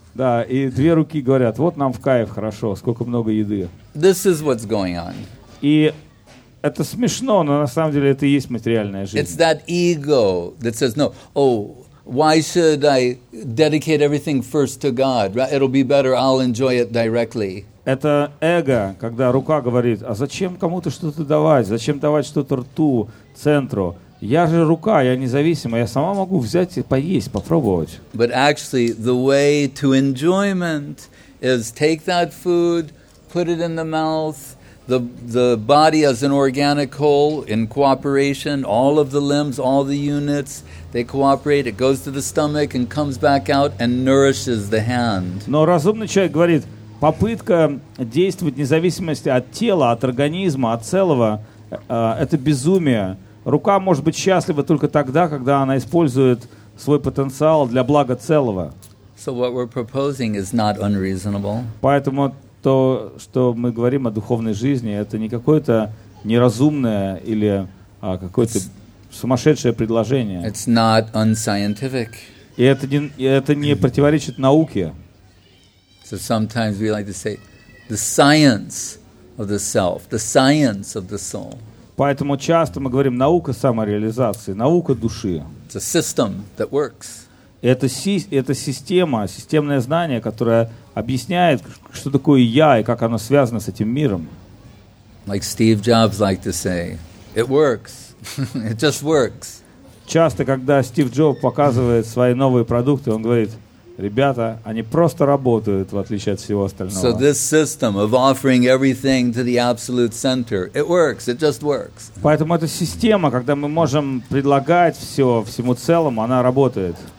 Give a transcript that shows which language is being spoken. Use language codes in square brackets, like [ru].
[ru] Да, и две руки говорят, вот нам в кайф, хорошо, сколько много еды. [en] This is what's going on. [ru] И это смешно, но на самом деле это и есть материальная жизнь. [en] It's that ego that says, no, oh, why should I dedicate everything first to God? It'll be better, I'll enjoy it directly. [ru] Это эго, когда рука говорит, а зачем кому-то что-то давать? Зачем давать что-то рту, центру? Я же рука, я независимая, я сама могу взять и поесть, попробовать. [en] But actually, the way to enjoyment is take that food, put it in the mouth, the body as an organic whole in cooperation, all of the limbs, all the units, they cooperate, it goes to the stomach and comes back out and nourishes the hand. [ru] Но разумный человек говорит, попытка действовать в независимости от тела, от организма, от целого, это безумие. Рука может быть счастлива только тогда, когда она использует свой потенциал для блага целого. [en] So what we're proposing is not unreasonable. [ru] Поэтому то, что мы говорим о духовной жизни, это не какое-то неразумное или какое-то сумасшедшее предложение. [en] It's not unscientific. [ru] И это не противоречит науке. [en] So sometimes we like to say the science of the self, the science of the soul. [ru] Поэтому часто мы говорим наука самореализации, наука души. [en] It's a system that works. [ru] Это система, системное знание, которое объясняет, что такое я и как оно связано с этим миром. [en] Like Steve Jobs liked to say, it works. It just works. [ru] Часто, когда Стив Джобс показывает свои новые продукты, он говорит, ребята, они просто работают, в отличие от всего остального. [en] So this system of offering everything to the absolute center, it works, it just works. [ru] Поэтому эта система, когда мы можем предлагать все всему целому, она работает.